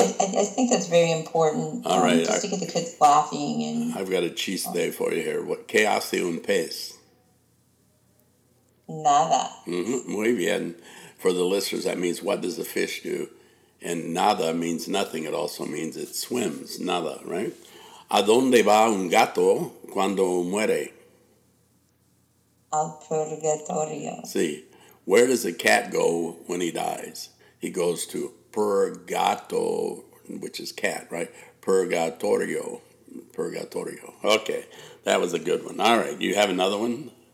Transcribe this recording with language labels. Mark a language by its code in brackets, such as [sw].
[en] I think that's very important. All right. Just to get the kids laughing. And I've got a cheese day for you here. What? [es] Que hace un pez? Nada. Mm-hmm. Muy bien. [en] For the listeners, that means what does a fish do? And nada means nothing. It also means it swims. Nada, right? [es] ¿A dónde va un gato cuando muere? Al purgatorio. Sí. [en] Where does a cat go when he dies? He goes to purgato, which is cat, right? Purgatorio. Okay, that was a good one. All right, you have another one?